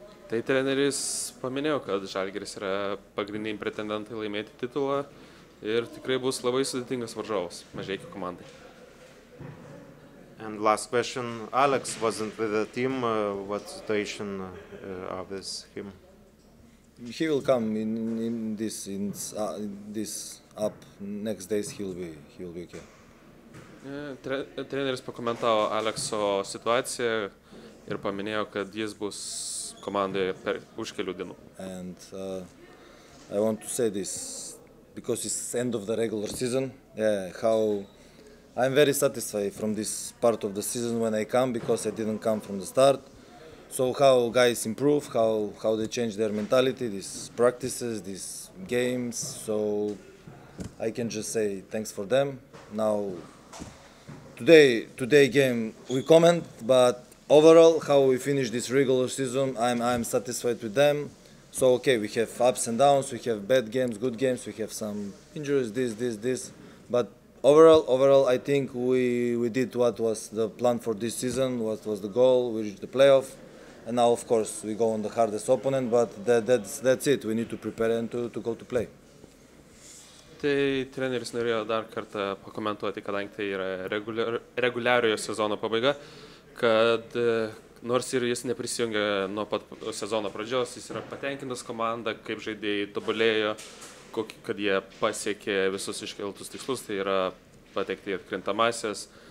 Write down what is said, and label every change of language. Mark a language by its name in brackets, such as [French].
[Lithuanian] Tai treneris paminėjo, kad Žalgiris yra pagrindiniai pretendentai laimėti titulą ir tikrai bus labai sudėtingas varžovas Mažeikių komandai. [English] And last question, Alex wasn't with the team, what situation of this him? He will come in this up next days, he will be okay. [Lithuanian] Treneris pakomentavo Alekso situaciją ir paminėjo, kad jis bus komandoje per už kelių dienų. [English] And I want to say this because it's end of the regular season. Yeah, how I'm very satisfied from this part of the season when I come, because I didn't come from the start. So how guys improve, how they change their mentality, these practices, these games. So I can just say thanks for them. Now today game we comment, but overall how we finish this regular season, I'm satisfied with them. So okay, we have ups and downs, we have bad games, good games, we have some injuries, this, but overall, I think we did what was the plan for this season, what was the goal, we reached the playoff. And now, of course, we go on the hardest opponent, but that's it. We need to prepare and to go to play. [Lithuanian] Tai treneris norėjo dar kartą pakomentuoti, kadangi tai yra reguliariojo sezono pabaiga, kad nors ir jis neprisijungė nuo pat sezono pradžios, jis yra patenkintas komanda, kaip žaidėjai tobulėjo. Kad jie pasiekė visus iškeltus tikslus, tai yra patekti į atkrintamąsias.